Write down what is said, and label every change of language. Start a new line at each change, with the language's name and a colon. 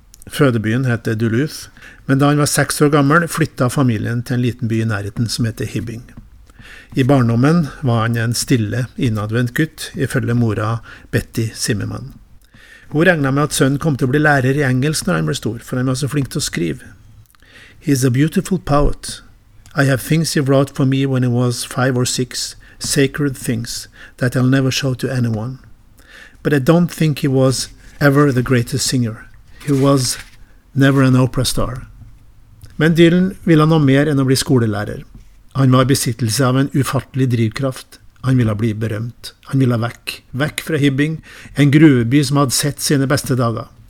Norwegian: Fødebyen heter Duluth, men da han var 6 år gammel flyttet familien til en liten by i nærheten som heter Hibbing. I barndommen var han en stille, innadvendt gutt, ifølge mora Betty Zimmermann. Hun regnet med at sønnen kom til å bli lærer i engelsk når han ble stor, for han var så flink til å skrive.
English: «He's a beautiful poet. I have things he wrote for me when he was 5 or 6, sacred things that I'll never show to anyone. But I don't think he was ever the greatest singer. He was never an opera star.
Norwegian: Men Dylan ville noe mer enn å bli skolelærer. Han var besittelse av en ufattelig drivkraft. Han ville bli berømt. Han ville vekk. Vekk fra Hibbing, en gruveby som hadde sett sine beste dager.